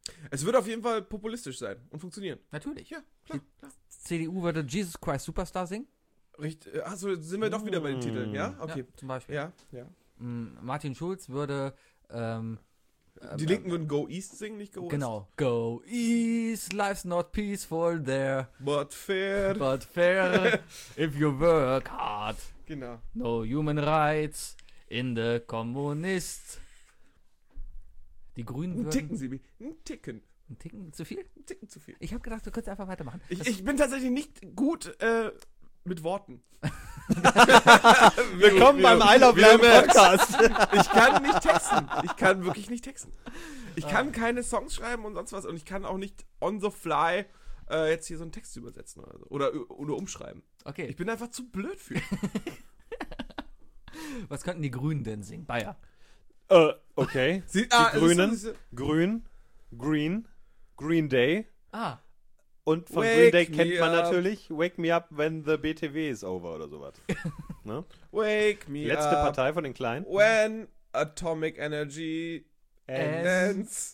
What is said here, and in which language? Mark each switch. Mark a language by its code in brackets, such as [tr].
[de] Es wird auf jeden Fall populistisch sein und funktionieren. Natürlich. Ja, klar. CDU würde Jesus Christ Superstar singen. Richtig. Achso, sind wir doch wieder bei den Titeln, ja? Okay. Ja, zum Beispiel. Ja, ja. Martin Schulz würde die Linken würden Go East singen, nicht Go West. Genau. [en] Go East, life's not peaceful there. But fair. But fair if you work hard. [de] Genau. [en] No human rights in the communist. [de] Die Grünen würden... Ein Ticken zu viel? Ein Ticken zu viel. Ich habe gedacht, du könntest einfach weitermachen. Ich bin tatsächlich nicht gut... mit Worten. Willkommen beim I Love Lamb Podcast. Ich kann nicht texten. Ich kann wirklich nicht texten. Ich kann keine Songs schreiben und sonst was. Und ich kann auch nicht [en] on the fly [de] jetzt hier so einen Text übersetzen oder so. Oder umschreiben. Okay. Ich bin einfach zu blöd für. Was könnten die Grünen denn singen? Bayer. Okay. Die Grünen. Grün. Green. Green Day. Ah. Und von Wake Green Day kennt man natürlich Wake Me Up When the BTW is Over oder sowas. [en] Ne? Wake Me [de] Letzte [en] Up. [de] Letzte Partei von den Kleinen. [en] When Atomic Energy ends.